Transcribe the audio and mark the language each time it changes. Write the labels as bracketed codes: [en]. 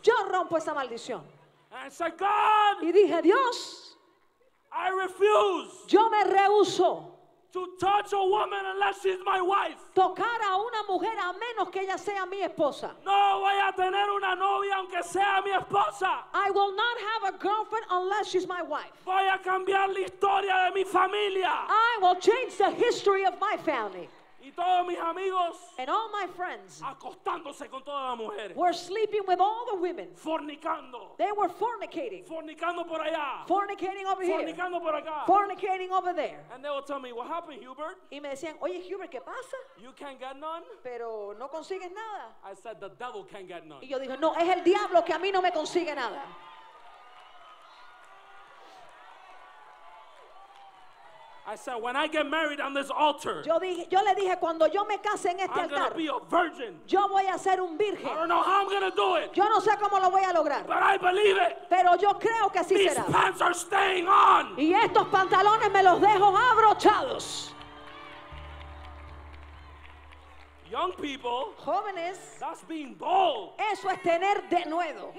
[es] Yo rompo esa maldición. [en] And I said, God. [es] Y dije, Dios. [en] I refuse. [es] Yo me rehúso. [en] To touch a woman unless she's my wife. [es] Tocar a una mujer a menos que ella sea mi esposa. No voy a tener una novia aunque sea mi esposa. [en] I will not have a girlfriend unless she's my wife. [es] Voy a cambiar la historia de mi familia. [en] I will change the history of my family. [es] Y todos mis amigos, [en] and all my friends, [es] acostándose con todas las mujeres, [en] were sleeping with all the women, [es] fornicando. [en] They were fornicating, [es] fornicando por allá, [en] fornicating over here, [es] fornicando por acá, [en] fornicating over there. And they would tell me, "What happened, Hubert?" [es] Y me decían, "Oye, Hubert, ¿qué pasa?" [en] You can't get none. [es] Pero no consigues nada. [en] I said, "The devil can't get none." [es] Y yo dije, "No, es el diablo que a mí no me consigue nada." [en] I said, when I get married on this altar, [es] yo le dije, cuando yo me case en este altar, [en] I'm going to be a virgin. [es] Yo voy a ser un virgen. [en] I don't know how I'm going to do it. [es] Yo no sé cómo lo voy a lograr. [en] But I believe it. [es] Pero yo creo que así [en] These [es] será. [en] Pants are staying on. [es] Y estos pantalones me los dejo abrochados. [en] Young people, [es] jóvenes, [en] that's being bold. [es] Eso es tener denuedo.